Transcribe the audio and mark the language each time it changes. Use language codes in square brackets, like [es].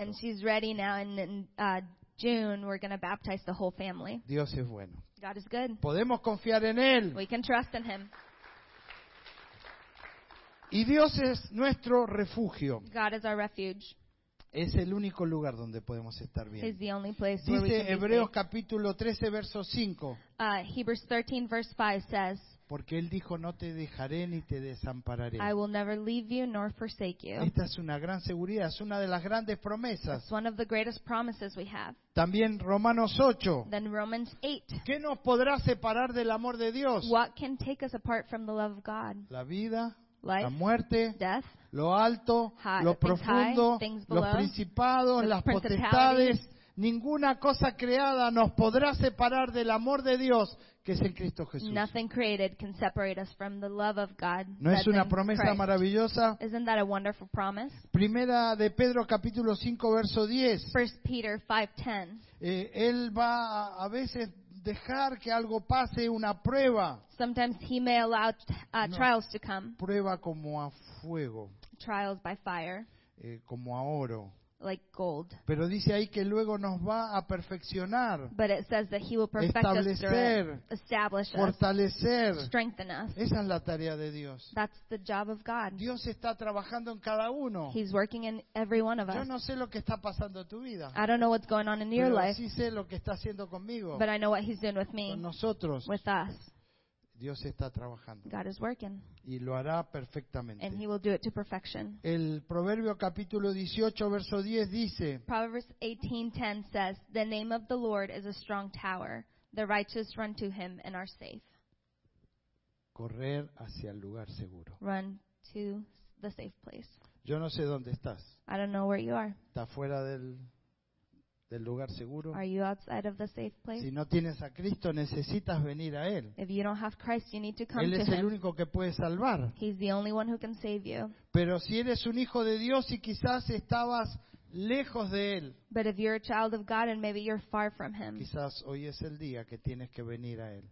[en] And she's ready now and June, we're going to baptize the whole family. [es] Dios es bueno. [en] God is good. [es] Podemos confiar en Él. [en] We can trust in Him. [es] Y Dios es nuestro refugio. [en] God is our refuge. [es] Es el único lugar donde podemos estar bien. [en] He's the only place [es] dice [en] where we can [es] Hebreos [en] be [es] capítulo 13, verso 5. [en] Hebrews 13, verse 5 says, [es] porque Él dijo, no te dejaré ni te desampararé. [en] I will never leave you nor forsake you. [es] Esta es una gran seguridad, es una de las grandes promesas. [en] It's one of the greatest promises we have. [es] También Romanos 8. [en] Then Romans 8. [es] ¿Qué nos podrá separar del amor de Dios? [en] What can take us apart from the love of God? [es] La vida, [en] life, [es] la muerte, [en] death, [es] lo alto, [en] high, [es] lo profundo, [en] high, [es] los below, principados, las potestades. Ninguna cosa creada nos podrá separar del amor de Dios que es en Cristo Jesús. [en] Nothing created can separate us from the love of God. [es] ¿No es una promesa maravillosa? [en] Isn't that a wonderful promise? [es] Primera de Pedro capítulo 5 verso 10. [en] First Peter 5:10. [es] Él va a veces dejar que algo pase, una prueba. [en] Sometimes he may allow trials to come. [es] Prueba como a fuego. [en] Trials by fire. [es] Como a oro. [en] Like gold. [es] Pero dice ahí que luego nos va a perfeccionar. [en] But it says that he will perfect [es] establecer, [en] us through it, establish [es] fortalecer, [en] us, strengthen us. [es] Esa es la tarea de Dios. [en] That's the job of God. [es] Dios está trabajando en cada uno. [en] He's working in every one of us. [es] Yo no sé lo que está pasando en tu vida. [en] I don't know what's going on in [es] pero [en] your life. [es] Pero sí sé lo que está haciendo conmigo. [en] But I know what he's doing with me. [es] Con nosotros. [en] With us. [es] Dios está trabajando. [en] God is working. [es] Y lo hará perfectamente. [en] And he will do it to perfection. [es] El Proverbio capítulo 18 verso 10 dice, [en] Proverbs 18:10 says, the name of the Lord is a strong tower. The righteous run to him and are safe. [es] Correr hacia el lugar seguro. [en] Run to the safe place. [es] Yo no sé dónde estás. [en] I don't know where you are. [es] ¿Estás fuera del lugar seguro. [en] Are you outside of the safe place? [es] Si no tienes a Cristo, necesitas venir a Él. [en] If you don't have Christ, you need to come to Him. [es] Él es el único que puede salvar. [en] He's the only one who can save you. [es] Pero si eres un hijo de Dios y quizás estabas lejos de Él. [en] But if you're a child of God and maybe you're far from Him. [es] Quizás hoy es el día que tienes que venir a Él.